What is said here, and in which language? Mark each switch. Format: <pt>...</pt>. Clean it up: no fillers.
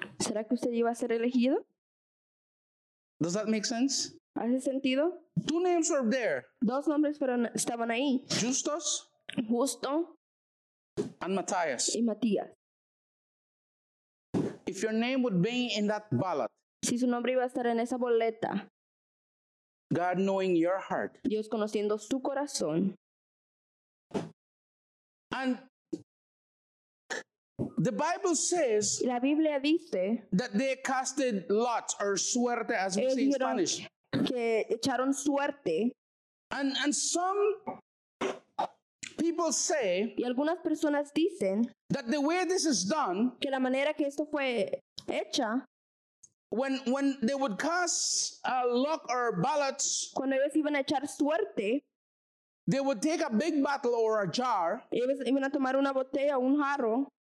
<es>¿Será que usted iba a ser elegido?</es> <en>Does that make sense?</en> <es>¿Hace sentido?</es> <en>Two names were there.</en> <es>Dos nombres estaban ahí.</es> <en>Justus.</en> <es>Justo.</es> <en>And Matthias.</en> <es>Y Matías.</es> <en>If your name would be in that ballot,</en> <es>si su nombre iba a estar en esa boleta,</es> <en>God knowing your heart,</en> <es>Dios conociendo su corazón,</es> <en>and the Bible says,</en> <es>la Biblia dice,</es> <en>that they casted lots, or suerte, as we say in Spanish,</en> <es>que echaron suerte,</es> <en>and some people say,</en> <es>y algunas personas dicen,</es> <en>that the way this is done,</en> <es>que la manera que esto fue hecha,</es> <en>when they would cast a luck or ballots,</en> <es>cuando ellos iban a echar suerte,</es> <en>they would take a big bottle or a jar,</en> <es>ellos iban a tomar una botella o un jarro,</es>